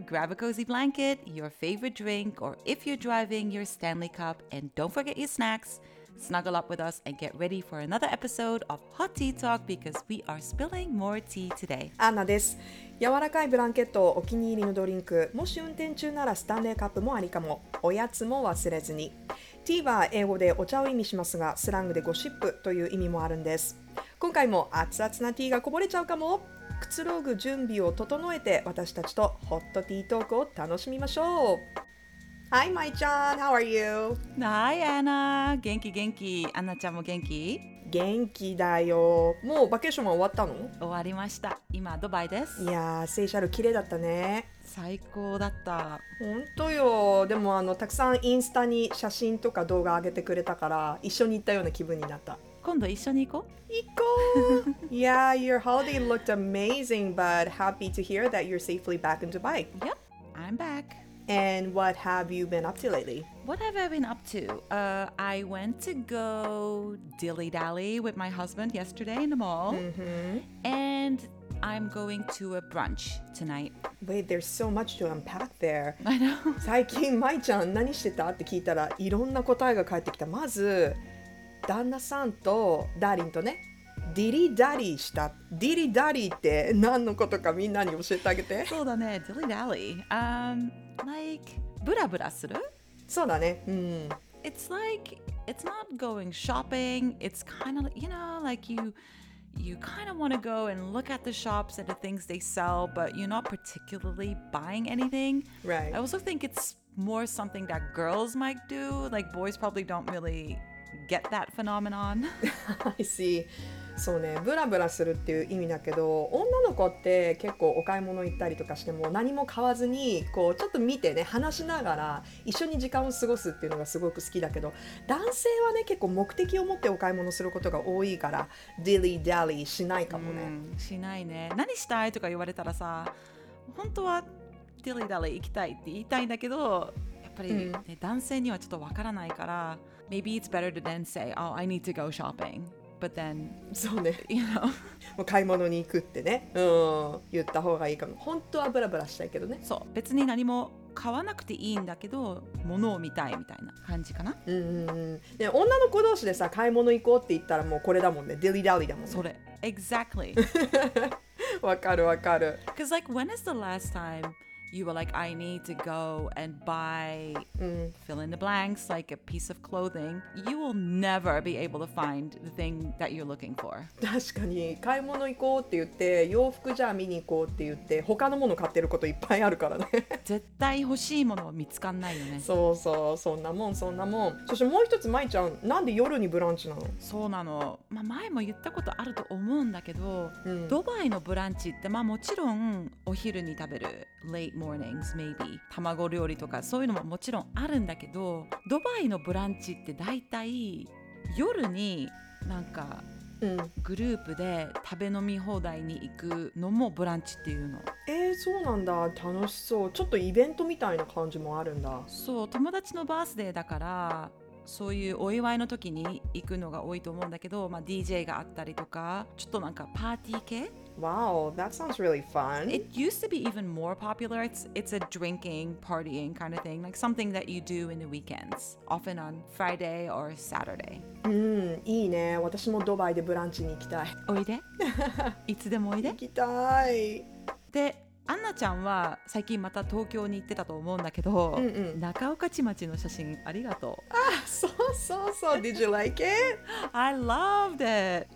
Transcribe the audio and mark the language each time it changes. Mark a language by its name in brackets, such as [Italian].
[English] Grab a cozy blanket, your favorite drink, or if you're driving, your Stanley Cup, and don't forget your snacks. Snuggle up with us and get ready for another episode of Hot Tea Talk because we are spilling more tea today. [Japanese] Anna です。柔らかいブランケットをお気に入りのドリンク、もし運転中ならスタンレーカップもありかも。おやつも忘れずに。ティーは英語でお茶を意味しますが、スラングでゴシップという意味もあるんです。今回も熱々なティーがこぼれちゃうかも。くつろぐ準備を整えて私たちとホットティートークを楽しみましょう。 [English] Hi, Mai-chan. How are you? [Japanese] Hi, Anna. 元気元気。Anna ちゃんも元気？元気だよ。もうバケーションは終わったの？終わりました。今、ドバイです。いやー、セイシャル綺麗だったね。最高だった。本当よ。でもたくさんインスタに写真とか動画上げてくれたから、一緒に行ったような気分になった。今度一緒に行こう。行こう。 [English] Yeah, your holiday looked amazing, but happy to hear that you're safely back in Dubai. Yep, I'm back. And what have you been up to lately? What have I been up to? I went to go dilly-dally with my husband yesterday in the mall. Mm-hmm. And I'm going to a brunch tonight. Wait, there's so much to unpack there. I know. [Japanese] 最近、まいちゃん何してたって聞いたら、いろんな答えが返ってきた。まず、旦那さんとダーリンとね、ディリダリーした。ディリダリーって何のことかみんなに教えてあげて。そうだね、ディリダリー。 Like, ブラブラする？そうだね。うん。 [English] It's like, it's not going shopping. It's kind of, you know, like you kind of want to go and look at the shops and the things they sell, but you're not particularly buying anything. Right. I also think it's more something that girls might do. Like, boys probably don't really get that phenomenon. I see. [Japanese] そうね、ブラブラするっていう意味だけど、女の子って結構お買い物行ったりとかしても何も買わずにこうちょっと見てね、話しながら一緒に時間を過ごすっていうのがすごく好きだけど、男性はね結構目的を持ってお買い物することが多いから、ディリーダリーしないかもね。しないね。何したいとか言われたらさ、本当はディリーダリー行きたいって言いたいんだけど、やっぱり、ね、うん、男性にはちょっとわからないから、 [English] Maybe it's better to then say, oh, I need to go shoppingBut then, [Japanese] そうね、 [English] you know. [Japanese] もう買い物に行くってね、うん、言った方がいいかも。本当はブラブラしたいけどね。そう、別に何も買わなくていいんだけど、物を見たいみたいな感じかな。うん、で女の子同士でさ、買い物行こうって言ったらもうこれだもんね、ディリダリだもんね。それ、exactly. わかるわかる。 [English] Because like, when is the last time you were like, I need to go and buy, fill in the blanks, like a piece of clothing, you will never be able to find the thing that you're looking for. [Japanese] 確かに、買い物行こうって言って、洋服じゃあ見に行こうって言って、他のもの買ってることいっぱいあるからね。絶対欲しいものは見つかんないよね。そうそう、そんなもん、そんなもん。そしてもう一つ、まいちゃん、なんで夜にブランチなの？そうなの。まあ、前も言ったことあると思うんだけど、ドバイのブランチって、まあもちろんお昼に食べる。 [English] Late mornings, maybe. [Japanese] 卵料理とかそういうのももちろんあるんだけど、ドバイのブランチってだいたい夜になんかグループで食べ飲み放題に行くのもブランチっていうの。そうなんだ。楽しそう。ちょっとイベントみたいな感じもあるんだ。そう、友達のバースデーだから、そういうお祝いの時に行くのが多いと思うんだけど、まあ、DJ があったりとか、ちょっとなんかパーティー系。 [English] Wow, that sounds really fun. It used to be even more popular. It's a drinking, partying kind of thing, like something that you do in the weekends, often on Friday or Saturday. [Japanese] いいね。私もドバイでブランチに行きたい。おいで。いつでもおいで。行きたい。で、アンナちゃんは最近また東京に行ってたと思うんだけど、中岡ちまちの写真ありがとう。そうそうそう。 [English] Did you like it? I loved it.